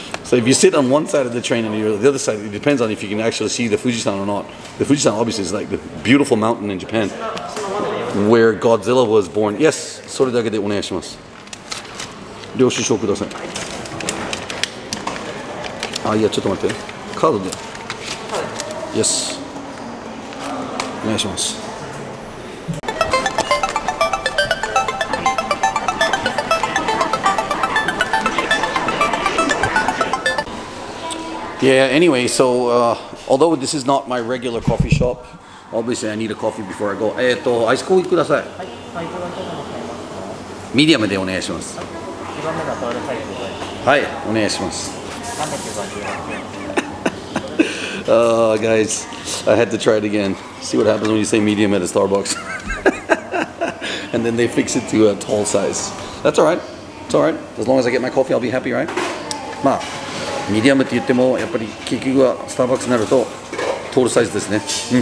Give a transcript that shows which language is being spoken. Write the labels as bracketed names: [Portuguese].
[English] So if you sit on one side of the train and you're the other side, it depends on if you can actually see the Fujisan or not. The Fujisan obviously is like the beautiful mountain in Japan where Godzilla was born. [Japanese] Yes, それだけでお願いします。領収書ください。あ、いや、ちょっと待って。カードで。 Yes. お願いします。 [English] Yeah, anyway, so although this is not my regular coffee shop, obviously I need a coffee before I go. [Japanese] アイスコーヒーください。ミディアムでお願いします。はい、お願いします。 [English] Guys, I had to try it again. See what happens when you say medium at a Starbucks. And then they fix it to a tall size. That's alright. It's alright. As long as I get my coffee, I'll be happy, right? [Japanese] まあ、ミディアムって言っても、やっぱり結局はスターバックスになると、トールサイズですね。